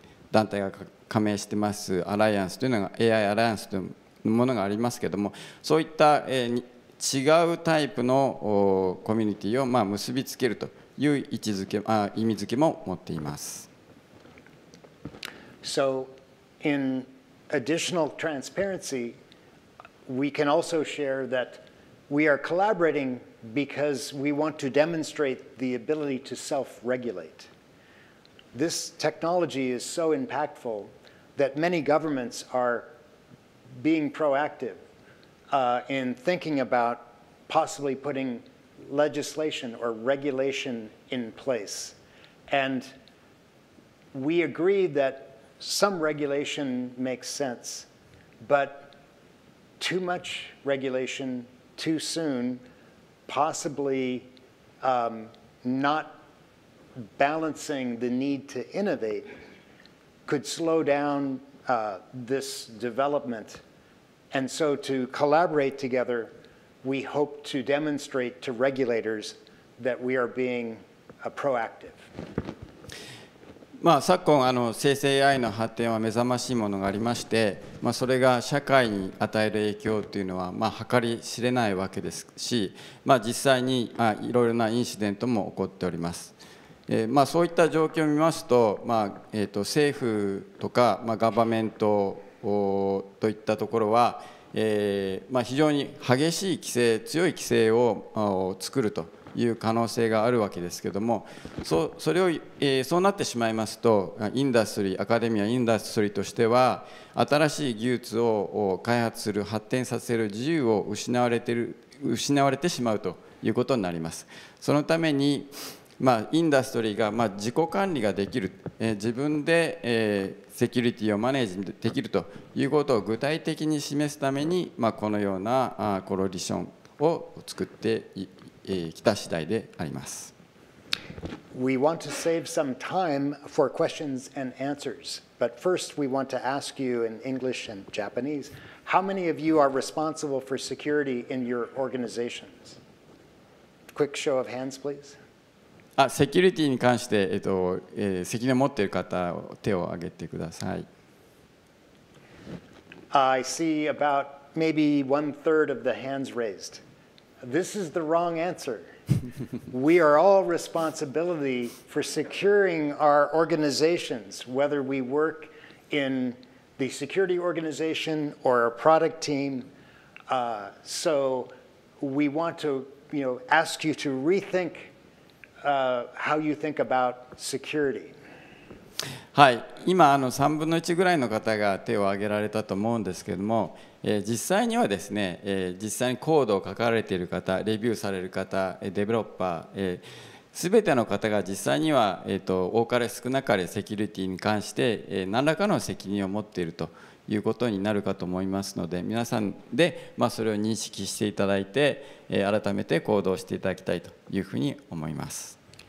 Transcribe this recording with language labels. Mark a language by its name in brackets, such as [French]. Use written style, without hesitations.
[Japanese] 団体が加盟してますアライアンスというのが AI アライアンスというものがありますけれども、そういった違うタイプのコミュニティを、まあ、結びつけるという位置づけ、意味づけも持っています。 [English] So in additional transparency we can also share that we are collaborating because we want to demonstrate the ability to self-regulate. This technology is so impactful that many governments are being proactive in thinking about possibly putting legislation or regulation in place. And we agree that some regulation makes sense, but too much regulation too soon, possibly not balancing the need to innovate, could slow down this development. And so to collaborate together, we hope to demonstrate to regulators that we are being proactive. [Japanese] まあ、昨今生成 AI の発展は目覚ましいものがありまして、まあ、それが社会に与える影響というのは、まあ、計り知れないわけですし、まあ、実際にいろいろなインシデントも起こっております。まあ、そういった状況を見ますと、まあ、政府とか、まあ、ガバメントといったところは、まあ、非常に激しい規制、強い規制を作るという可能性があるわけですけれども、そうなってしまいますと、インダストリー、アカデミア、インダストリーとしては、新しい技術を開発する、発展させる自由を失われてしまうということになります。そのために、まあ、インダストリーが、まあ、自己管理ができる、自分で、セキュリティをマネージできるということを具体的に示すために、まあ、このようなコロリションを作っています。来た次第であります。 [English] We want to save some time for questions and answers, but first we want to ask you in English and Japanese, how many of you are responsible for security in your organizations? Quick show of hands, please. [Japanese] セキュリティに関して、責任を持っている方、手を挙げてください。 [English] I see about maybe one third of the hands raised. This is the wrong answer. We are all responsible for securing our organizations, whether we work in the security organization or a product team. So we want to, you know, ask you to rethink how you think about security. [Japanese] はい、今3分の1ぐらいの方が手を挙げられたと思うんですけれども、実際にはですね、実際にコードを書かれている方、レビューされる方、デベロッパー、すべての方が実際には、多かれ少なかれセキュリティに関して、何らかの責任を持っているということになるかと思いますので、皆さんで、まあ、それを認識していただいて、改めて行動していただきたいというふうに思います。